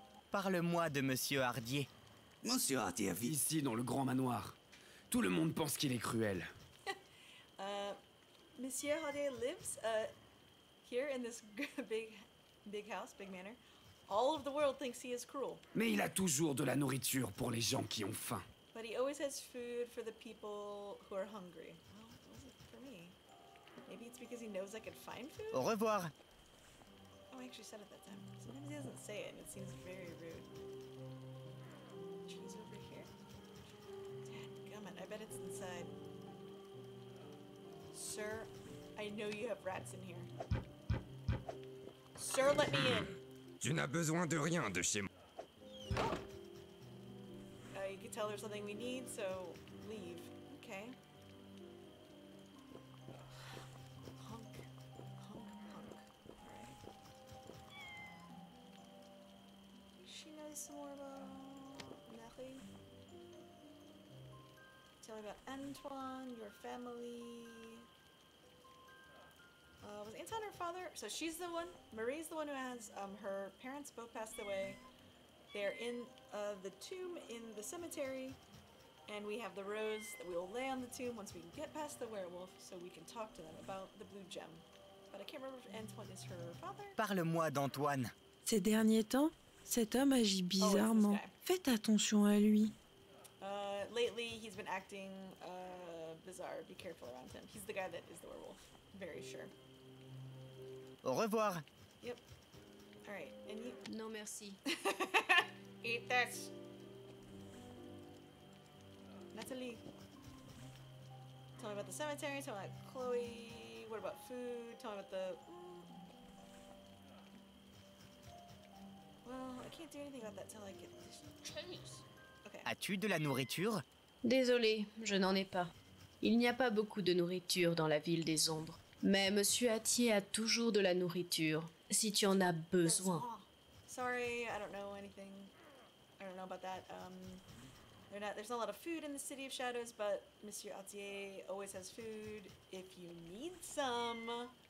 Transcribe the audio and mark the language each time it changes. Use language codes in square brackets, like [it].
[fr] Parle-moi de Monsieur Ardier. Monsieur Ardier vit ici, dans le grand manoir. Tout le monde pense qu'il est cruel. [en] Monsieur Ardier lives here in this big house, big manor. All of the world thinks he is cruel. [fr] Mais il a toujours de la nourriture pour les gens qui ont faim. [en] But he always has food for the people who are hungry. Well, was it for me? Maybe it's because he knows I could find food? [fr] Au revoir. [en] Oh, I actually said it that time. Sometimes he doesn't say it and it seems very rude. Cheese over here. Dadgummit, I bet it's inside. Sir, I know you have rats in here. Sir, let me in. [fr] Tu n'as besoin de rien de chez moi. [en] Oh. You can tell there's something we need, so leave. Okay. Honk, honk, honk. Alright. She knows some more about Marie. Tell me about Antoine, your family. Was Anton her father? So she's the one. Marie's the one who has her parents both passed away. They're in the tomb in the cemetery. And we have the rose that we will lay on the tomb once we get past the werewolf so we can talk to them about the blue gem. But I can't remember if Antoine is her father. [fr] Parle-moi d'Antoine. Ces derniers temps, cet homme agit bizarrement. Faites attention à lui. [en] lately he's been acting bizarre. Be careful around him. He's the guy that is the werewolf. Very sure. [fr] Au revoir. [en] Yep. All right. And you? No, merci. Eat that. Natalie. Tell me about the cemetery. Tell me about Chloe. What about food? Tell me about the... Well, I can't do anything about that till I get this Chinese. [fr] As-tu de la nourriture? Désolé, je n'en ai pas. Il n'y a pas beaucoup de nourriture dans la ville des ombres. Mais Monsieur Atier a toujours de la nourriture, si tu en as besoin. [en] Sorry, I don't know anything. I don't know about that. There's not a lot of food in the City of Shadows, but Monsieur Atier always has food if you need some.